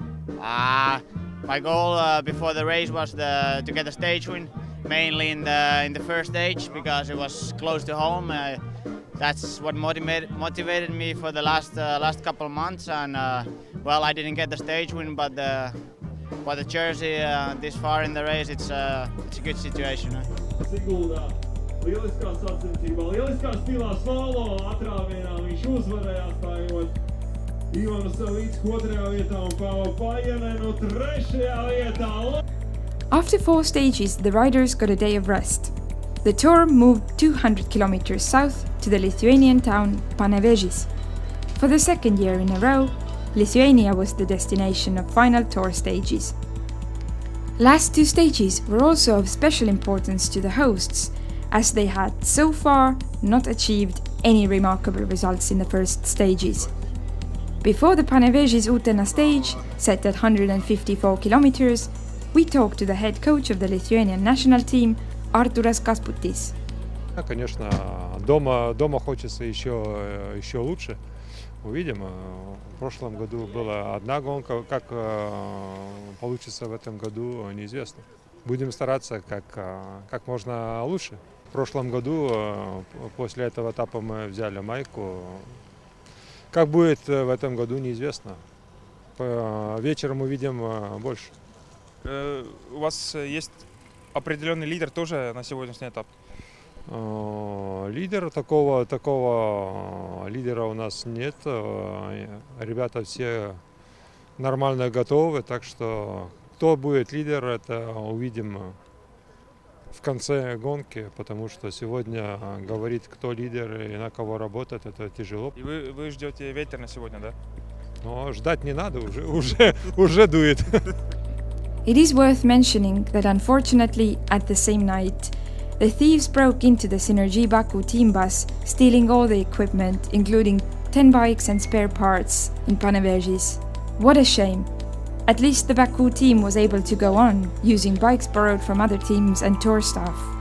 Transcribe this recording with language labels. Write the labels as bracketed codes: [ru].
[en] My goal before the race was to get a stage win, mainly in the first stage because it was close to home. That's what motivated me for the last couple of months. And well, I didn't get the stage win, but the jersey this far in the race, it's a good situation. [lv] Lieliskā sacensībā, lieliskā stilā solo atrāvienā viņš uzvarēja atstājot Ivanu Savitsku 2. Vietā un Paavo Pajanenu 3. Vietā. [en] After 4 stages, the riders got a day of rest. The tour moved 200 kilometers south to the Lithuanian town Panevėžys. For the second year in a row, Lithuania was the destination of final tour stages. Last 2 stages were also of special importance to the hosts, as they had so far not achieved any remarkable results in the first stages. Before the Panevėžys Utena stage, set at 154 kilometers, we talked to the head coach of the Lithuanian national team, Arturas Kasputis. [ru] Yeah, конечно, дома хочется еще лучше. Увидим. В прошлом году была одна гонка, как получится в этом году, неизвестно. Будем стараться как можно лучше. В прошлом году после этого этапа мы взяли майку. Как будет в этом году, неизвестно. Вечером увидим больше. У вас есть определенный лидер тоже на сегодняшний этап? Лидера такого лидера у нас нет. Ребята все нормально готовы, так что кто будет лидер, это увидим в конце гонки, потому что сегодня говорит, кто лидер и на кого работает, это тяжело. И вы ждете ветер на сегодня, да? Но ждать не надо, уже дует. [en] It is worth mentioning that unfortunately at the same night the thieves broke into the Synergy Baku team bus, stealing all the equipment, including 10 bikes and spare parts, in Panevėžys. What a shame! At least the Baku team was able to go on, using bikes borrowed from other teams and tour staff.